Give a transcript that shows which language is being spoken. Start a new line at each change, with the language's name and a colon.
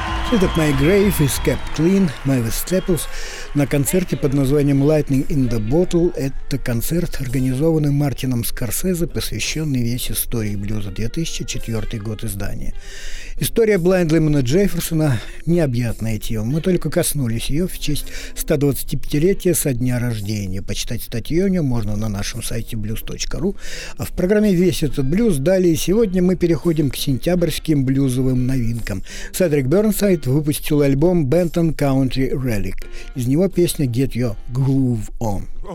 English: So that my grave is kept clean, my vestibules.
Russian: На концерте под названием «Lightning in the Bottle» это концерт, организованный Мартином Скорсезе, посвященный весь истории блюза, 2004 год издания. История Blind Lemon Jefferson – необъятная тема. Мы только коснулись ее в честь 125-летия со дня рождения. Почитать статью о нем можно на нашем сайте blues.ru. А в программе «Весь этот блюз» далее сегодня мы переходим к сентябрьским блюзовым новинкам. Седрик Бернсайд выпустил альбом «Benton Country Relic». Из него песня «Get Your Groove On».